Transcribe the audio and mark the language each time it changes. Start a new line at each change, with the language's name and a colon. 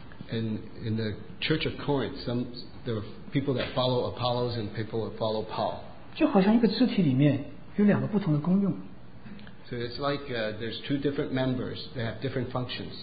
English: In the Church of Corinth, there were people that follow Apollos and people that follow Paul.
Chinese: 就好像一个肢体里面有两个不同的功用。
English: So it's like there's two different members. They have different functions.